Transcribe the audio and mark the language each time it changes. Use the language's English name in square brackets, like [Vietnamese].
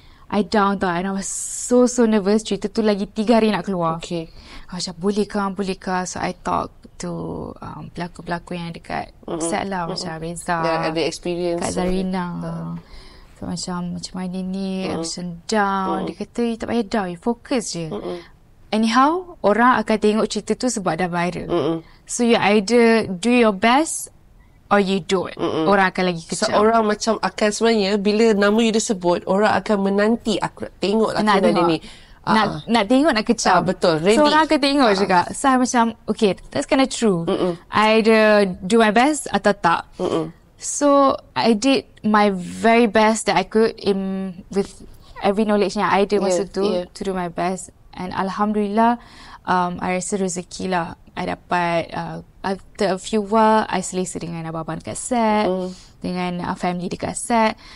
[English] I down tau and I was so so nervous. [Malay] Cerita tu lagi 3 hari nak keluar. [English] Okay. [Malay] Macam bolehkah? [English] So I talk to [Malay] pelakon-pelakon yang dekat set lah. Macam Reza, ada experience Kak Zarina. So, macam mana ni? Macam down. Dia kata you tak payah down, you fokus je. Anyhow, orang akan tengok cerita tu sebab dah viral. [English] So you either do your best or you don't. [Malay] Orang akan lagi kecam. So, orang macam akan sebenarnya, bila nama you disebut, orang akan menanti, aku nak tengok lah kena dia ni. Nak tengok, nak kecam. Betul, ready. So, orang akan tengok juga. [English] So, I [Malay] macam, [English] okay, that's kind of true. I do my best [Malay] atau tak. [English] So, I did my very best that I could in with every knowledge yang I did [Malay] masa tu [English] to do my best. [Malay] And Alhamdulillah, I rasa rezeki lah. I dapat [English] after a few while [Malay] I selesa dengan abang-abang dekat set, dengan family dekat set.